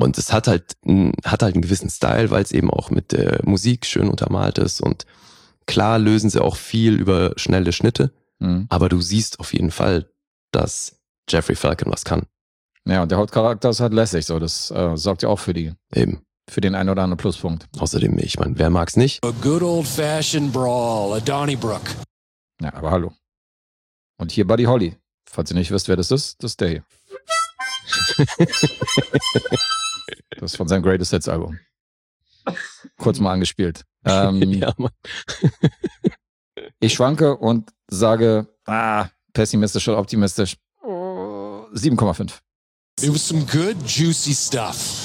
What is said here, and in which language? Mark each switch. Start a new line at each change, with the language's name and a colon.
German: Und es hat halt einen gewissen Style, weil es eben auch mit der Musik schön untermalt ist. Und klar lösen sie auch viel über schnelle Schnitte. Mhm. Aber du siehst auf jeden Fall, dass Jeffrey Falcon was kann. Ja, und der Hauptcharakter ist halt lässig. So, das sorgt ja auch für die. Eben. Für den einen oder anderen Pluspunkt. Außerdem, ich meine, wer mag's nicht?
English: A good old-fashioned brawl, a Donnybrook.
German: Ja, aber hallo. Und hier Buddy Holly. Falls ihr nicht wisst, wer das ist der hier. Das ist von seinem Greatest Hits Album. Kurz mal angespielt. Ja, Mann. Ich schwanke und sage, pessimistisch oder optimistisch, 7,5.
English: It was some good juicy stuff.